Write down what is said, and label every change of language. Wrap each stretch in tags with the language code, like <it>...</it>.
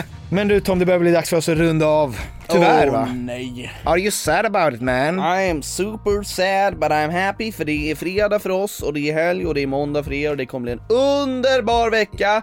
<sv>Men du Tom, det börjar bli dags för oss att runda av. Tyvärr, va? Nej.</sv> <en>Are you sad about it, man? I am super sad, but I'm happy.</en> <sv>För det är fredag för oss, och det är helg, och det är måndag för er, och det kommer bli en underbar vecka.</sv>